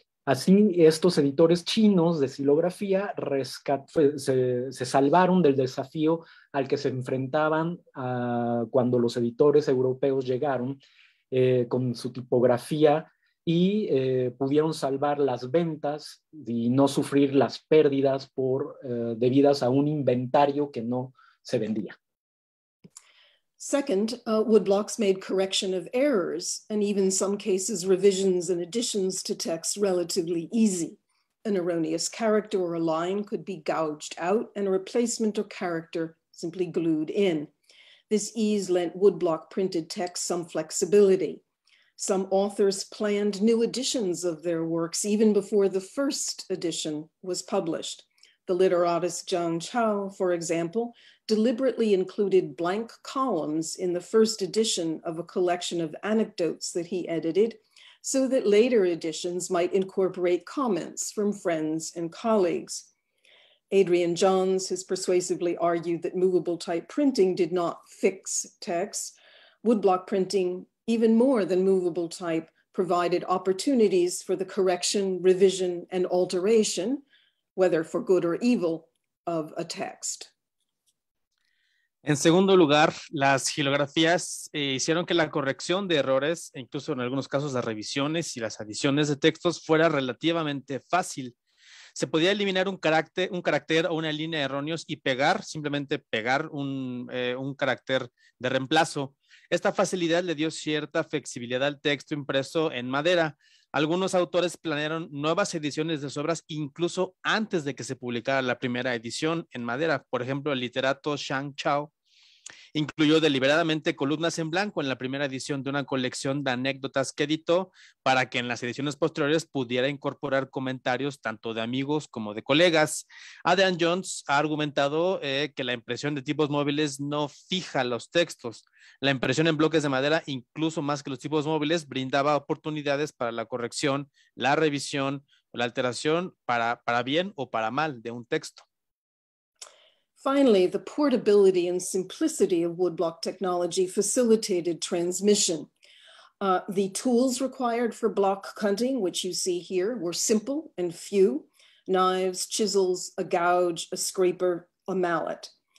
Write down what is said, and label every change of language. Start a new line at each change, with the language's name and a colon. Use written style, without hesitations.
Spanish: Así, estos editores chinos de xilografía se salvaron del desafío al que se enfrentaban cuando los editores europeos llegaron con su tipografía y pudieron salvar las ventas y no sufrir las pérdidas debidas a un inventario que no se vendía.
English: Second, woodblocks made correction of errors, and even some cases revisions and additions to text relatively easy. An erroneous character or a line could be gouged out and a replacement or character simply glued in. This ease lent woodblock printed text some flexibility. Some authors planned new editions of their works even before the first edition was published. The literatus Zhang Chao, for example, deliberately included blank columns in the first edition of a collection of anecdotes that he edited, so that later editions might incorporate comments from friends and colleagues. Adrian Johns has persuasively argued that movable type printing did not fix text. Woodblock printing, even more than movable type, provided opportunities for the correction, revision, and alteration, whether for good or evil, of a text.
Spanish: En segundo lugar, las xilografías hicieron que la corrección de errores, e incluso en algunos casos las revisiones y las adiciones de textos, fuera relativamente fácil. Se podía eliminar un carácter o una línea erróneos y simplemente pegar un carácter de reemplazo. Esta facilidad le dio cierta flexibilidad al texto impreso en madera. Algunos autores planearon nuevas ediciones de sus obras incluso antes de que se publicara la primera edición en madera. Por ejemplo, el literato Shang Chao incluyó deliberadamente columnas en blanco en la primera edición de una colección de anécdotas que editó para que en las ediciones posteriores pudiera incorporar comentarios tanto de amigos como de colegas. Adrian Jones ha argumentado que la impresión de tipos móviles no fija los textos. La impresión en bloques de madera, incluso más que los tipos móviles, brindaba oportunidades para la corrección, la revisión o la alteración para bien o para mal de un texto.
English: Finally, the portability and simplicity of woodblock technology facilitated transmission. The tools required for block cutting, which you see here, were simple and few: knives, chisels, a gouge, a scraper, a mallet.